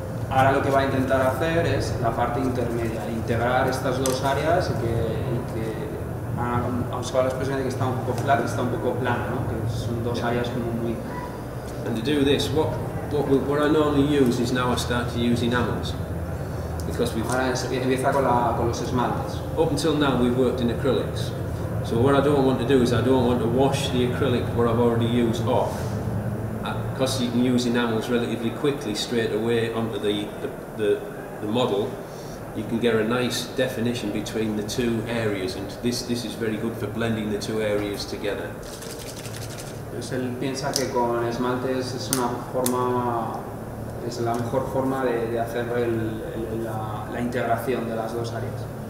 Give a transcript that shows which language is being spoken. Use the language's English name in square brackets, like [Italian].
[Spanish] Ahora lo que va a intentar hacer es la parte intermedia, integrar estas dos áreas y que ha usado la expresión de que está un poco flat, está un poco plano, ¿no? Que son dos áreas como muy. [English] And to do this, what I normally use is now I start to use enamels. Because up until now we've worked in acrylics, so what I don't want to do is I don't want to wash the acrylic what I've already used off, because you can use enamels relatively quickly straight away onto the model. You can get a nice definition between the two areas, and this is very good for blending the two areas together. [Spanish] Pues él piensa que con esmaltes es una forma. Es la mejor forma de hacer la integración de las dos áreas.